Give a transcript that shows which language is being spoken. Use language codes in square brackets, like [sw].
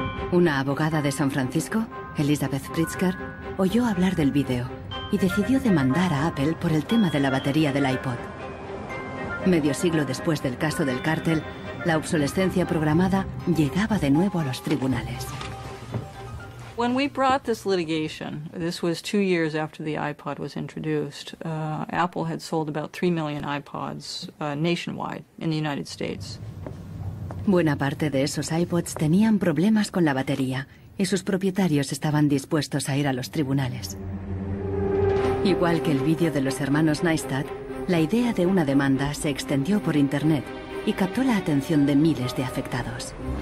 [es] Una abogada de San Francisco, Elizabeth Pritzker, oyó hablar del video y decidió demandar a Apple por el tema de la batería del iPod. Medio siglo después del caso del cártel, la obsolescencia programada llegaba de nuevo a los tribunales. [en] When we brought this litigation, this was 2 years after the iPod was introduced, Apple had sold about 3 million iPods nationwide in the United States. [es] Buena parte de esos iPods tenían problemas con la batería y sus propietarios estaban dispuestos a ir a los tribunales. Igual que el vídeo de los hermanos Neistat, la idea de una demanda se extendió por Internet y captó la atención de miles de afectados.